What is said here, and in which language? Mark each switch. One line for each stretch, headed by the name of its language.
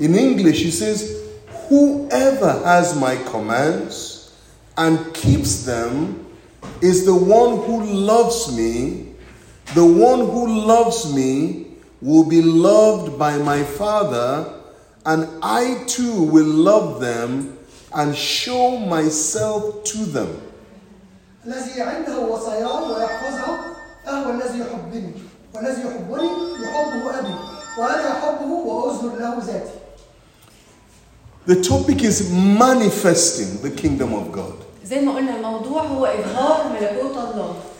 English: In English he says, whoever has my commands and keeps them is the one who loves me. The one who loves me will be loved by my Father, and I too will love them and show myself to them.
Arabic: الذي عنده وصايا ويحفظها فهو الذي يحبني والذي يحبني يحبه أبي وأنا أحبه وأظهر له ذاتي.
English: The topic is manifesting the kingdom of God.
Arabic: زي ما قلنا الموضوع هو إظهار ملكوت الله.